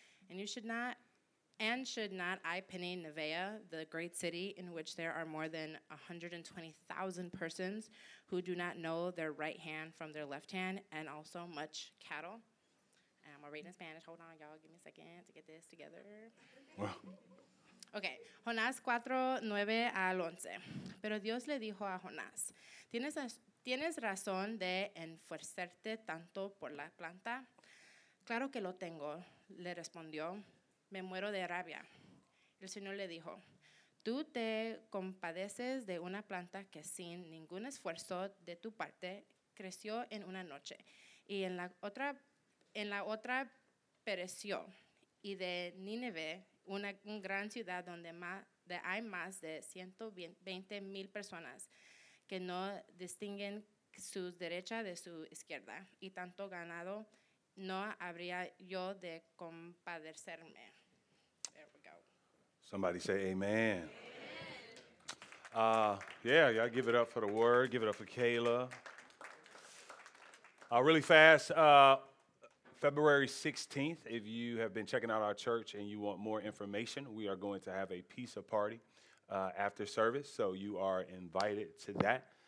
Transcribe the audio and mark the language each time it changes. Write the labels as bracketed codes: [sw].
[en] And you should not, and should not I pity Nineveh, the great city in which there are more than 120,000 persons who do not know their right hand from their left hand, and also much cattle?'" And I'm going to read in Spanish. Hold on, y'all. Give me a second to get this together. [es] Wow. Okay, Jonás 4, 9 al 11. Pero Dios le dijo a Jonás, ¿Tienes razón de enfurecerte tanto por la planta? Claro que lo tengo, le respondió. Me muero de rabia. El Señor le dijo, ¿Tú te compadeces de una planta que sin ningún esfuerzo de tu parte creció en una noche y en la otra pereció y de Nínive, una gran ciudad donde hay más de 120 mil personas que no distinguen su derecha de su izquierda y tanto ganado, no habría yo de compadecerme? [en] There we go. Somebody say amen. Yeah, y'all give it up for the word. Give it up for Kayla. Really fast. February 16th, if you have been checking out our church and you want more information, we are going to have a pizza party after service, so you are invited to that.